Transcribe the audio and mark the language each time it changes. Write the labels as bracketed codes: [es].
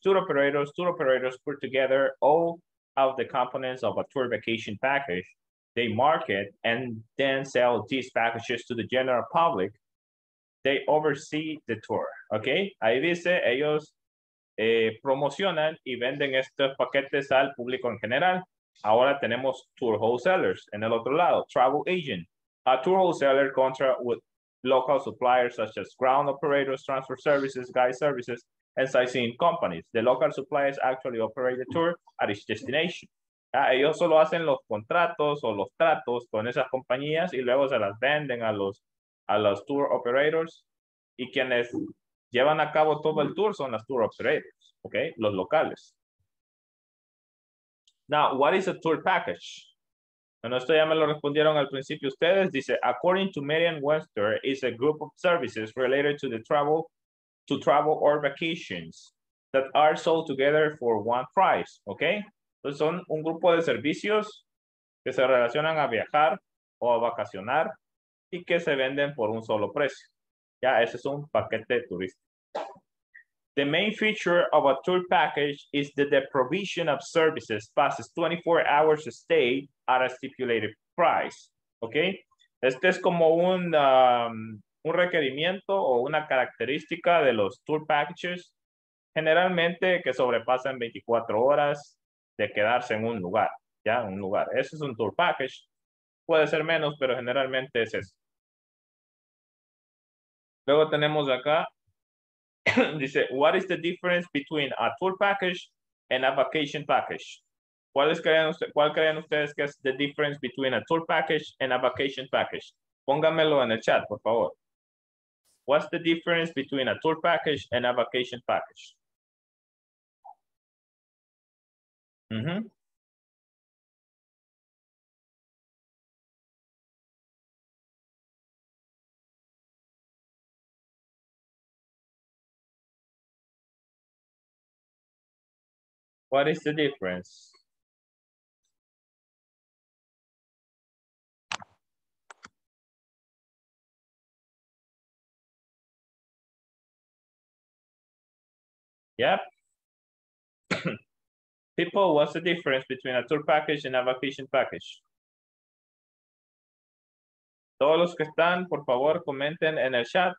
[en] Tour operators put together all of the components of a tour vacation package. They market and then sell these packages to the general public. They oversee the tour. Okay? [es] Ahí dice ellos promocionan y venden estos paquetes al público en general. Ahora tenemos tour wholesalers. En el otro lado, travel agent. [en] A tour wholesaler contract with local suppliers such as ground operators, transfer services, guide services, and sightseeing companies. The local suppliers actually operate the tour at its destination. [es] Ellos solo hacen los contratos o los tratos con esas compañías y luego se las venden a los tour operators. Y quienes llevan a cabo todo el tour son las tour operators, okay? Los locales. [en] Now, what is a tour package? [es] Bueno, esto ya me lo respondieron al principio ustedes. [en] Dice, according to Merriam-Webster, it's a group of services related to the travel, to travel or vacations that are sold together for one price. ¿Ok? [es] Entonces son un grupo de servicios que se relacionan a viajar o a vacacionar y que se venden por un solo precio. Ya, ese es un paquete turístico. [en] The main feature of a tour package is that the provision of services passes 24 hours a stay at a stipulated price. Okay? [es] Este es como un requerimiento o una característica de los tour packages, generalmente que sobrepasan 24 horas de quedarse en un lugar. Ya, un lugar. Ese es un tour package. Puede ser menos, pero generalmente es eso. Luego tenemos acá. [en] Dice, what is the difference between a tour package and a vacation package? [es] ¿Cuál creen ustedes que es [en] the difference between a tour package and a vacation package? [es] Póngamelo en el chat, por favor. [en] What's the difference between a tour package and a vacation package? Mm-hmm. What is the difference? Yep. People, what's the difference between a tour package and a vacation package? [es] Todos los que están, por favor, comenten en el chat.